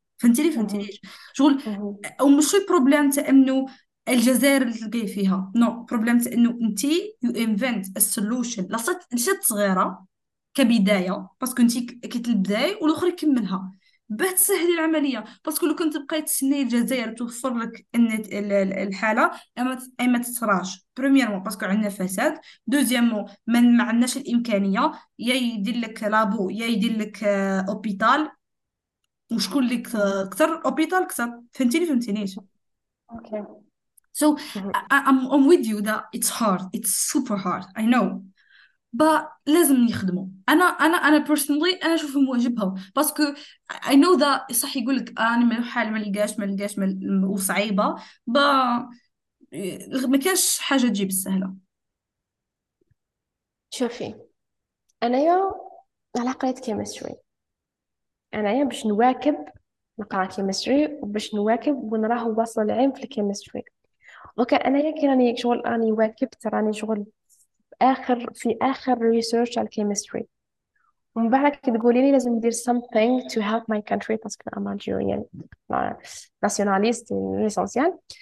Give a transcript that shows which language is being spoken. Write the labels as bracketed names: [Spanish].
[Arabic] فهمتي فهمتي شغل؟ او مش بروبليم تاع انه الجزائر اللي تلقاي فيها نو بروبليم، انه انت [English] you invent السولوشن [Arabic] لست صغيره كبدايه باسكو انت كنت البدايه والاخر يكملها باش تسهلي العمليه، باسكو لو كنت بقيت تسني الجزائر توفر لك ان الحاله اي ما تتراش، بريميرمون باسكو عندنا فساد، دوزيامون ما عندناش الامكانيه، يا يدير لك لابو يا يدير لك اوبيتال، وشكون اللي كثر اوبيتال كثر. فهمتيني فهمتينيش؟ [English] Okay. So I'm with you that it's hard, it's super hard, I know. [Arabic] But لازم يخدموا. أنا personally أنا أشوفهم واجبهم. باسكو [English] I know that [Arabic] صح يقول لك أنا من حال ما لقاش وصعيبة. But ما كانش حاجة تجيب السهلة. شوفي أنايا على قريت كيمستري أنايا باش نواكب نقرا كيمستري وباش نواكب ونراه واصل العين في الكيمستري دوكا أنايا كي راني شغل راني واكبت راني شغل في آخر ريسيرش على الكيمستري ومن بعد كي تقولي لي لازم ندير [English] something to help my country [Arabic] باسكو [English] I'm Algerian nationalist [Arabic] ليسونسيال